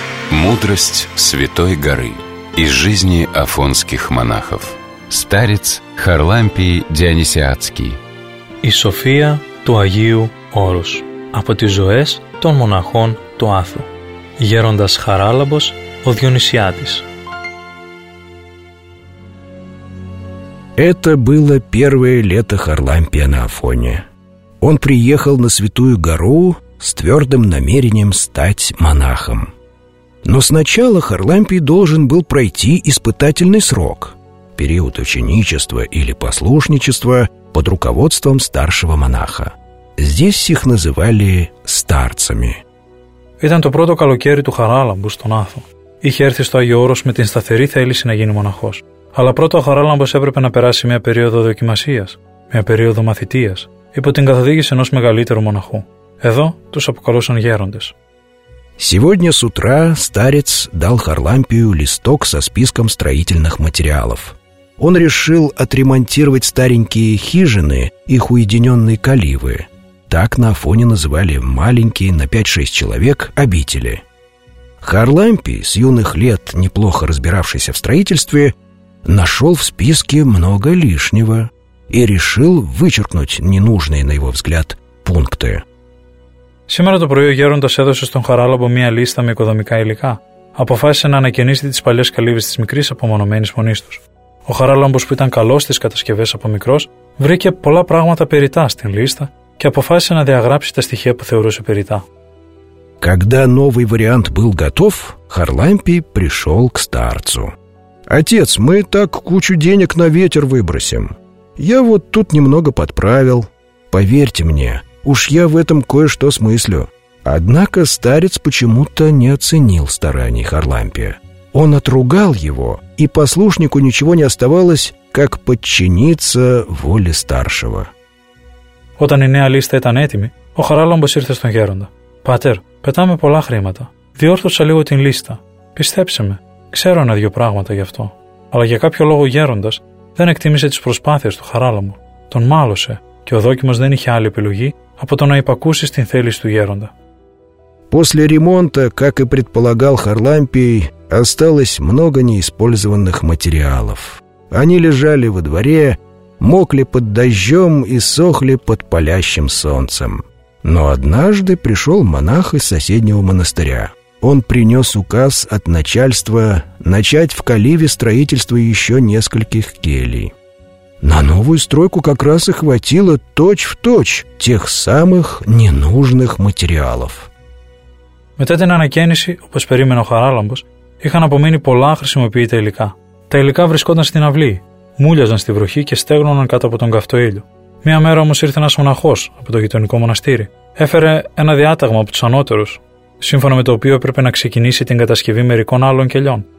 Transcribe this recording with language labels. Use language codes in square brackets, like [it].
[ru] Мудрость Святой Горы из жизни афонских монахов. Старец Харлампий Дионисиадский. [el] Η σοφία του Αγίου Όρους από τις ζωές των μοναχών του Άθου. Γέροντας Χαράλαμπος, ο Διονυσιάτης. [ru] Это было первое лето Харлампия на Афоне. Он приехал на Святую Гору с твердым намерением стать монахом. Но сначала Харлампий должен был пройти испытательный срок, период ученичества или послушничества под руководством старшего монаха. Здесь их называли старцами. [el] Ήταν το πρώτο καλοκαίρι του Χαράλαμπου στον Άθο. Είχε έρθει στο Άγιο Όρος με την σταθερή θέληση να γίνει μοναχός. Αλλά πρώτα ο Χαράλαμπος έπρεπε να περάσει μια περίοδο δοκιμασίας, μια περίοδο μαθητείας, υπό την καθοδήγηση ενός μεγαλύτερου μοναχού. Εδώ τους αποκαλούσαν γέροντες. [ru] Сегодня с утра старец дал Харлампию листок со списком строительных материалов. Он решил отремонтировать старенькие хижины, их уединенные каливы. Так на Афоне называли маленькие на 5-6 человек обители. Харлампий, с юных лет неплохо разбиравшийся в строительстве, нашел в списке много лишнего и решил вычеркнуть ненужные, на его взгляд, пункты. Сегодня [el] το πρωί ο Γέροντας έδωσε στον Χαράλαμπο μία λίστα με οικοδομικά υλικά. Αποφάσισε να ανακαινήσει τις παλιές καλύβες της μικρής απομονωμένης φωνής τους. Ο Χαράλαμπος, που ήταν καλός στις κατασκευές από μικρός, βρήκε πολλά πράγματα περιτά στην λίστα και αποφάσισε να διαγράψει τα στοιχεία που θεωρούσε περιτά. [ru] Когда новый вариант был готов, Харлампий пришел к старцу. «Отец, мы так кучу денег на ветер выбросим. Я вот тут немного подправил. Поверьте мне, уж я в этом кое-что смыслю». Однако старец почему-то не оценил стараний Харлампия. Он отругал его, и послушнику ничего не оставалось, как подчиниться воле старшего. [el] Όταν η νέα λίστα ήταν έτοιμη, ο Χαράλαμπος ήρθε στον γέροντα. «Πάτερ, πετάμε πολλά χρήματα. Διόρθωσα λίγο την λίστα. Πιστέψε με, ξέρω ένα-δύο πράγματα γι' αυτό». Αλλά για κάποιο λόγο ο γέροντας δεν εκτίμησε τις προσπάθειες του Χαράλαμπου. Τον μάλωσε και ο δόκιμος δεν είχε άλλη επιλογή από το να υπακούσει στην θέληση του γέροντα. [ru] После ремонта, как и предполагал Харлампий, осталось много неиспользованных материалов. Они лежали во дворе, мокли под дождем и сохли под палящим солнцем. Но однажды пришел монах из соседнего монастыря. Он принес указ от начальства начать в Каливе строительство еще нескольких келий. На новую стройку как раз и хватило точь-в-точь тех самых ненужных материалов. [el] Μετά την ανακαίνιση, όπως περίμενε ο Χαράλαμπος, είχαν απομείνει πολλά χρησιμοποιητά υλικά. Τα υλικά βρισκόταν στην αυλή, μούλιαζαν στη βροχή και στέγνωναν κάτω από τον καυτό ήλιο. Μία μέρα όμως ήρθε ένας μοναχός από το γειτονικό μοναστήρι. Έφερε ένα διάταγμα από τους ανώτερους, σύμφωνα με το οποίο έπρεπε να ξεκινήσει την κατασκευή μερικών άλλων κελιών.